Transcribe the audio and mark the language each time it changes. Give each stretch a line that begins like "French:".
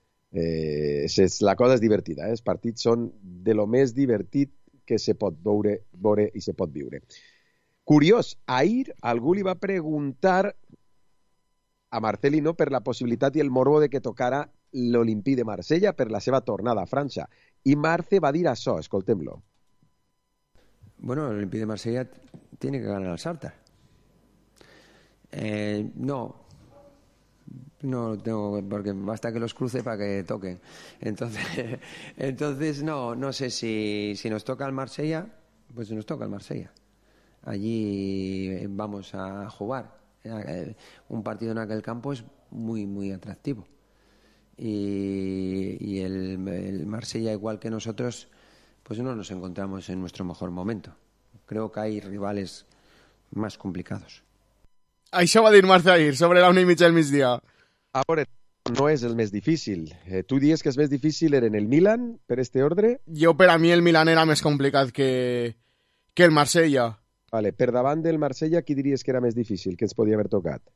Catalan: la cosa és divertida, eh? Els partits són de lo més divertit que se pot veure i se pot viure. Curiós, ahir algú li va preguntar a Marcelino per la possibilitat i el morbo de que tocara l'Olympique de Marsella per la seva tornada a França. I Marce va dir això, escoltem-lo.
Spanish: Bueno, l'Olympique de Marsella tiene que ganar el Sartre. No, No tengo, porque basta que los cruce para que toquen. Entonces no sé si nos toca el Marsella, pues nos toca el Marsella. Allí vamos a jugar. Un partido en aquel campo es muy, muy atractivo. Y el Marsella, igual que nosotros, pues no nos encontramos en nuestro mejor momento. Creo que hay rivales más complicados.
Catalan: Això va dir Marce ahir, sobre la 1:30 del migdia. A veure, no és el més difícil. Tu dius que el més difícil era en el Milan, per este ordre? Jo, per a mi, el Milan era més complicat que el Marsella. Vale, per davant del Marsella, qui diries que era més difícil, que ens podia haver tocat?